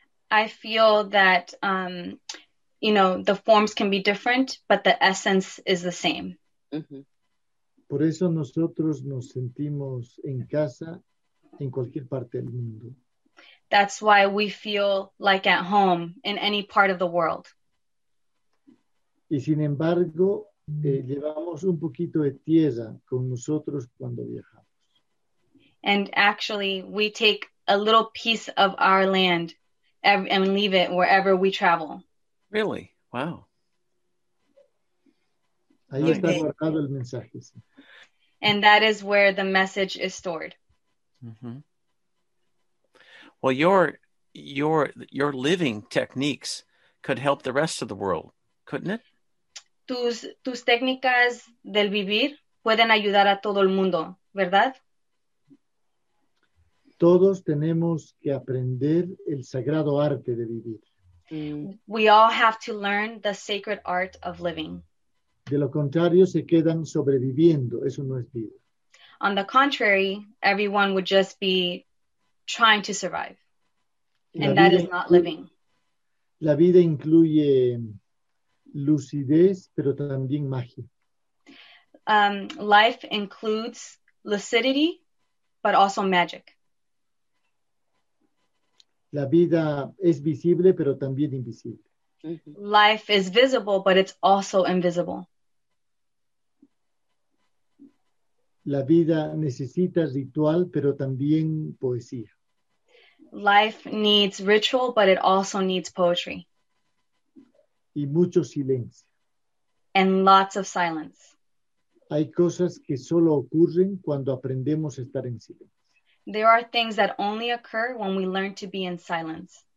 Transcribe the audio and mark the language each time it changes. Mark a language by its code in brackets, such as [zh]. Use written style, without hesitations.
[en] I feel that the forms can be different, but the essence is the same. [es] Por eso nosotros nos sentimos en casa en cualquier parte del mundo. [en] That's why we feel like at home in any part of the world. [es] Y sin embargo, llevamos un poquito de tierra con nosotros cuando viajamos. [en] And actually, we take a little piece of our land and leave it wherever we travel. Really? Wow. [es] Ahí está guardado el mensaje. Sí. [en] And that is where the message is stored. Mm-hmm. Well, your living techniques could help the rest of the world, couldn't it? [es] Tus técnicas del vivir pueden ayudar a todo el mundo, ¿verdad? Todos tenemos que aprender el sagrado arte de vivir. We all have to learn the sacred art of living. De lo contrario, se quedan sobreviviendo. Eso no es vida. [en] On the contrary, everyone would just be trying to survive. And that is not living. [es] La vida incluye lucidez, pero también magia. [en] Life includes lucidity, but also magic. [es] La vida es visible, pero también invisible. [en] Life is visible, but it's also invisible. [es] La vida necesita ritual, pero también poesía. [en] Life needs ritual, but it also needs poetry. [es] Y mucho silencio. [en] And lots of silence. [es] Hay cosas que solo ocurren cuando aprendemos a estar en silencio. [en] There are things that only occur when we learn to be in silence.